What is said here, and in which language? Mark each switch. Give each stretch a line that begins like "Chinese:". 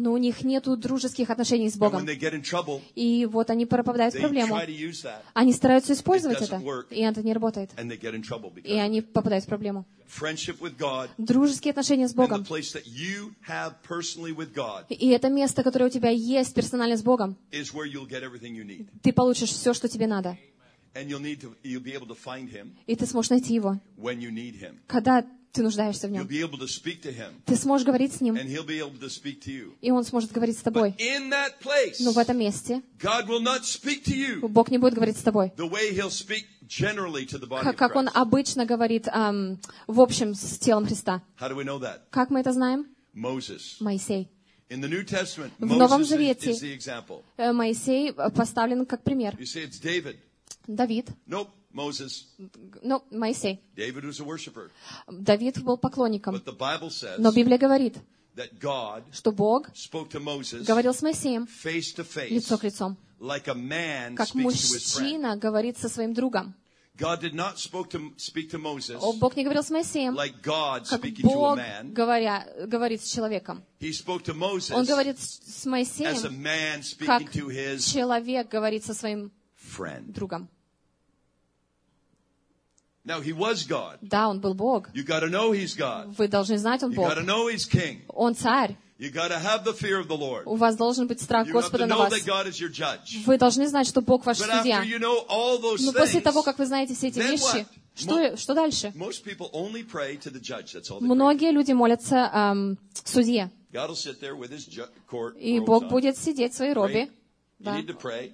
Russian: Но у них нет дружеских отношений с Богом.
English: And when they get in trouble,
Russian: и вот они пропадают
English: they
Russian: в проблему.
English: Try to use that,
Russian: они стараются использовать
English: it doesn't work,
Russian: это, и это не работает.
English: And they get in trouble because
Russian: и они попадают в проблему.
English: Friendship with God,
Russian: дружеские отношения с Богом.
English: And the place that you have personally with God,
Russian: и это место, которое у тебя есть персонально с Богом.
English: Is where you'll get everything you need.
Russian: Ты получишь все, что тебе надо.
English: And you'll need to, you'll be able to find him,
Russian: и ты сможешь найти его.
English: When you need him.
Russian: Когда ты нуждаешься в нем.
English: You'll be able to speak to him,
Russian: ты сможешь говорить с ним.
English: And he'll be able to speak to you.
Russian: И он сможет говорить с тобой.
English: But in that place,
Russian: но в этом месте
English: God will not speak to you,
Russian: Бог не будет говорить с тобой.
English: The way he'll speak generally to the body of Christ.
Russian: Как он обычно говорит в общем с телом Христа.
English: How do we know that?
Russian: Как мы это знаем?
English: Moses.
Russian: Моисей.
English: In the New Testament,
Russian: в Новом Завете
English: is the example.
Russian: Моисей поставлен как пример.
English: You say it's David.
Russian: Давид.
English: Nope. Moses. No,
Russian: Моисей.
English: David was a worshipper.
Russian: Давид был поклонником.
English: But the Bible says,
Russian: но Библия говорит,
English: that God
Russian: что Бог
English: spoke to Moses
Russian: говорил с Моисеем
English: face to face,
Russian: лицо к лицу,
English: like a man
Russian: как мужчина говорит со своим другом.
English: God did not speak to Moses,
Russian: о, Бог не говорил с Моисеем,
English: like God
Russian: как
English: speaking
Russian: Бог
English: to a man,
Russian: говорит с человеком.
English: He spoke to Moses,
Russian: он говорит с Моисеем
English: as a man speaking
Russian: как
English: to his
Russian: человек говорит со своим
English: friend.
Russian: Другом.
English: Now he was God.
Russian: Да, он был Бог.
English: You got to know he's God.
Russian: Вы должны знать, он
English: you
Russian: Бог.
English: You got to know he's king.
Russian: Он царь.
English: You got to have the fear of the Lord.
Russian: У вас должен быть страх
English: you
Russian: Господа на вас.
English: You got to know that God is your judge.
Russian: Вы должны знать, что Бог ваш
English: But
Russian: судья.
English: After you know all those
Russian: Но
English: things,
Russian: после того, как вы знаете все эти вещи, что дальше?
English: Most people only pray to the judge. That's all they
Russian: Многие люди молятся судье.
English: God will sit there with his court.
Russian: И Бог будет сидеть в своей робе. Да.
English: You need to pray.